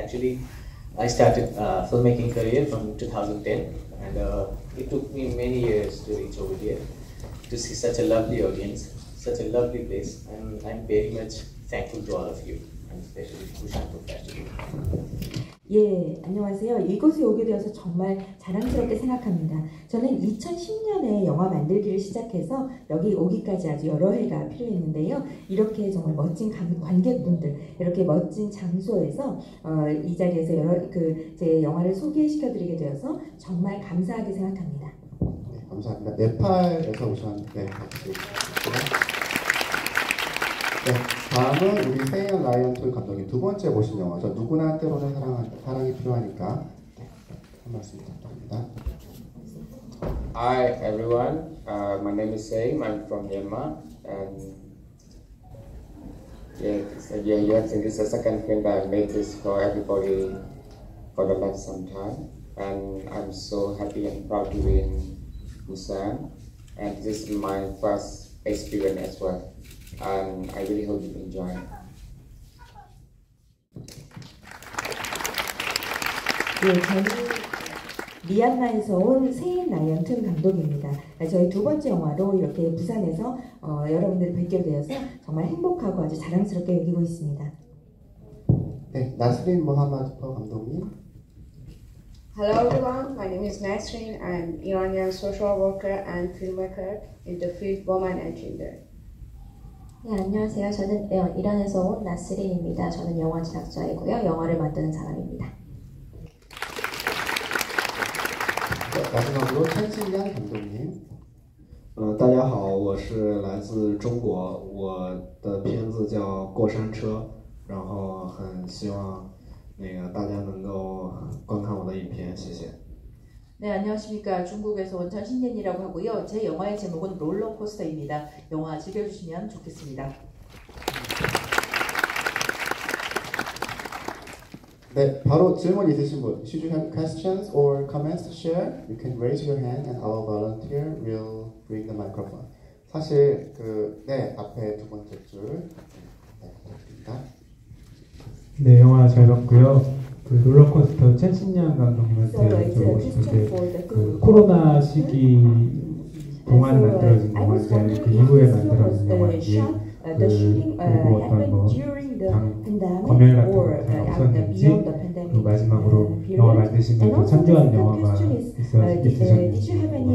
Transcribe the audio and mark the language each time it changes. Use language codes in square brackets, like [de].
[en] Actually, I started filmmaking career from 2010, and it took me many years to reach over here to see such a lovely audience, such a lovely place, and I'm very much thankful to all of you, and especially Busan Film Festival. [ko] 예, 안녕하세요. 이곳에 오게 되어서 정말 자랑스럽게 생각합니다. 저는 2010년에 영화 만들기를 시작해서 여기 오기까지 아주 여러 해가 필요했는데요. 이렇게 정말 멋진 관객분들, 이렇게 멋진 장소에서 이 자리에서 여러 그 제 영화를 소개시켜 드리게 되어서 정말 감사하게 생각합니다. 네, 감사합니다. 네팔에서 오셨는데 같이. 네, 다음은 우리 세이언 라이언톨 감독이 두 번째 보신 영화죠. 누구나 때로는 사랑이 필요하니까. 네, 한 말씀 부탁드립니다. [en] Hi everyone. My name is Seim. I'm from Myanmar. And yeah, yeah, yeah, I think it's the second film that I've made this for everybody for the last some time. And I'm so happy and proud to be in Busan. And this is my first experience as well. I really hope you enjoy. [ko] 네, 저는 미얀마에서 온 세인 라이언튼 감독입니다. 저희 두 번째 영화로 이렇게 부산에서 여러분들 뵙게 되어서 정말 행복하고 아주 자랑스럽게 여기고 있습니다. 네, 나스린 모하마드퍼 감독님. [en] Hello everyone, my name is Nasreen. I'm Iranian social worker and filmmaker in the field Woman and Gender. [ko] 네, 안녕하세요. 저는 이란에서 온 나스린입니다. 저는 영화 제작자이고요. 영화를 만드는 사람입니다. 네, 마지막으로 천진양 감독님. [zh] 大家好，我是来自中国，我的片子叫《过山车》，然后很希望那个大家能够观看我的影片，谢谢。 [ko] 네, 안녕하십니까. 중국에서 온 천신년이라고 하고요. 제 영화의 제목은 롤러코스터입니다. 영화 즐겨주시면 좋겠습니다. 네, 바로 질문 있으신 분. [en] Should you have questions or comments to share? You can raise your hand and our volunteer will bring the microphone. [ko] 사실 그 네, 앞에 두 번째 줄. 네, 부탁드립니다. 네, 영화 잘 봤고요. 그 롤러코스터 천신년 감독님한테 여쭤보고 싶은데 그 코로나 시기 동안 만들어진 영화인데 그 이후에 만들어진 영화인지 그 그리고 어떤 뭐 검열 같은 게 없었는지 그 마지막으로 영화 만드시면 그 참조한 영화가 있으셨는지